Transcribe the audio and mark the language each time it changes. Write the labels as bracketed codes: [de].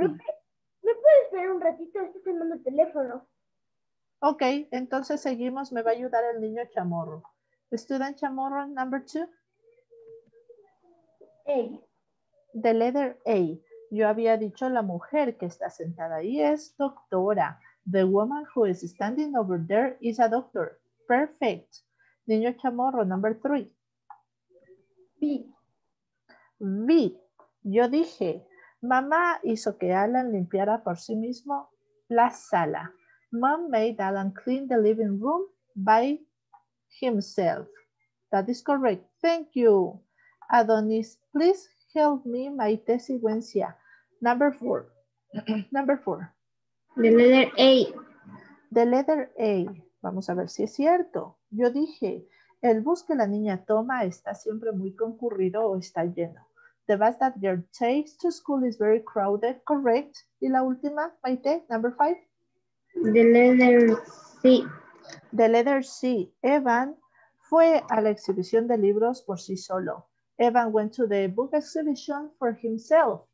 [es] ¿Me puedes esperar un ratito? Estoy tomando el teléfono. Ok, entonces seguimos. Me va a ayudar el niño chamorro. [en] Student chamorro, number two. A. The letter A. [es] Yo había dicho, la mujer que está sentada ahí es doctora. [en] The woman who is standing over there is a doctor. Perfect. [es] Niño [en] chamorro, number three. B. B. [es] Yo dije, mamá hizo que Alan limpiara por sí mismo la sala. [en] Mom made Alan clean the living room by himself. That is correct. Thank you. Adonis, please help me, my tesigüencia. Number four. Number four. The letter A. The letter A. [es] Vamos a ver si es cierto. Yo dije, el bus que la niña toma está siempre muy concurrido o está lleno. [en] The bus that girl takes to school is very crowded. Correct. [es] Y la última, Maite, [en] number five. The letter C. The letter C. [es] Evan fue a la exhibición de libros por sí solo. [en] Evan went to the book exhibition for himself.